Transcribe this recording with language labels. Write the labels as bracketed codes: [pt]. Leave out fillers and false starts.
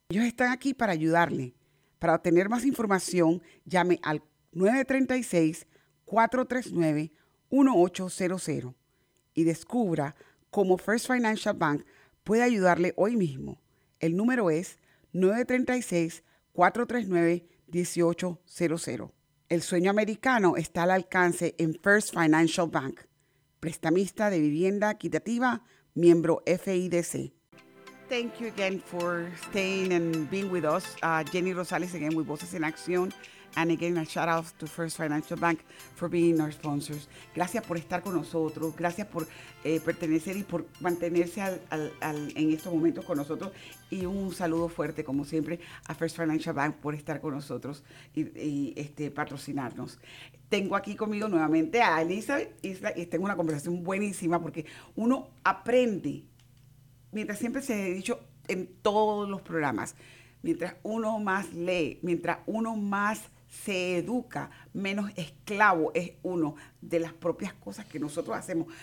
[es] Ellos están aquí para ayudarle. Para obtener más información, llame al 936-439-1800 y descubra cómo First Financial Bank puede ayudarle hoy mismo. El número es 936-439-1800. El sueño americano está al alcance en First Financial Bank, prestamista de vivienda equitativa, miembro FIDC. [en] Thank you again for staying and being with us. Jenny Rosales again with Voces en Acción. And again, a shout out to First Financial Bank for being our sponsors. [es] Gracias por estar con nosotros. Gracias por pertenecer y por mantenerse en estos momentos con nosotros. Y un saludo fuerte, como siempre, a First Financial Bank por estar con nosotros y patrocinarnos. Tengo aquí conmigo nuevamente a Elizabeth Isla y tengo una conversación buenísima porque uno aprende, mientras siempre se ha dicho en todos los programas, mientras uno más lee, mientras uno más se educa, menos esclavo es uno de las propias cosas que nosotros hacemos.